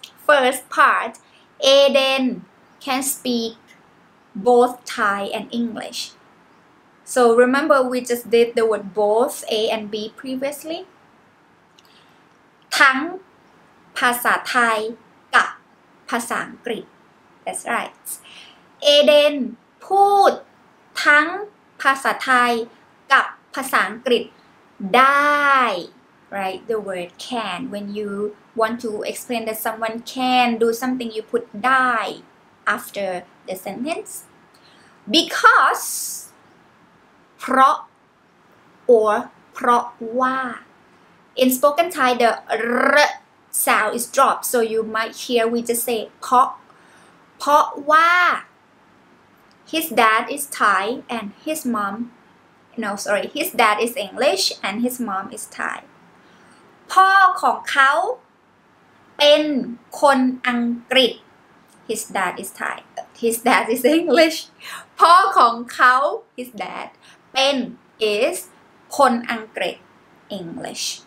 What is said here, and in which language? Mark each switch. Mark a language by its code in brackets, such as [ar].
[en] First part, Aiden can speak both Thai and English. So remember we just did the word both A and B previously. [th] ทั้งภาษาไทยกับภาษาอังกฤษ [en] That's right. [th] Aiden พูดทั้งภาษาไทยกับภาษาอังกฤษได้ [en] Right? The word can. When you want to explain that someone can do something, you put ได้ after the sentence. Becauseเพราะ or เพราะว่า in spoken Thai the r sound is dropped so you might hear we just say เพราะว่า his dad is Thai and his mom no sorry his dad is English and his mom is Thai [th] พ่อของเขาเป็นคนอังกฤษ [en] his dad is Thai his dad is English พ่อของเขา his dadN is คนอังกฤษ English